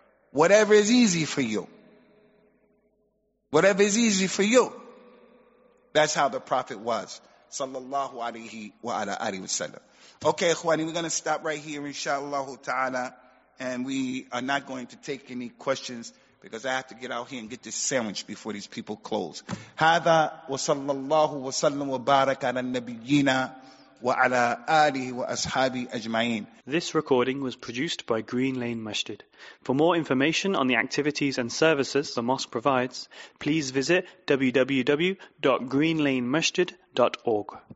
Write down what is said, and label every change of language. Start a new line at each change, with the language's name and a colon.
English: Whatever is easy for you. Whatever is easy for you. That's how the Prophet was. Sallallahu alayhi wa alayhi wa sallam. Okay, Ikhwani, we're going to stop right here, inshallah ta'ala. And we are not going to take any questions, because I have to get out here and get this sandwich before these people close.
Arabic: هذا وصلى الله وسلم وبارك على النبيين وعلى آله وأصحابه أجمعين.
English: This recording was produced by Green Lane Masjid. For more information on the activities and services the mosque provides, please visit www.greenlanemasjid.org.